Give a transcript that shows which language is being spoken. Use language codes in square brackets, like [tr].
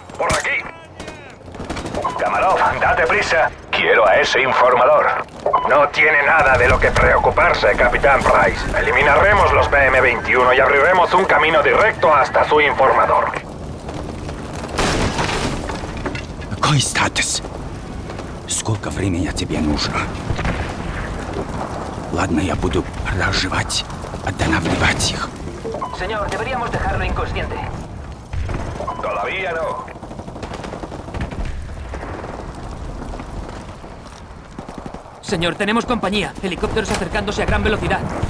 [es] ¡Por aquí! Kamarov, date prisa. Quiero a ese informador. No tiene nada de lo que preocuparse, Capitán Price. Eliminaremos los BM-21 y abriremos un camino directo hasta su informador. [ru] Какой статус? Сколько времени тебе нужно? Ладно, я буду разживать, останавливать их. [es] Señor, deberíamos dejarlo inconsciente. Todavía no. Señor, tenemos compañía. Helicópteros acercándose a gran velocidad.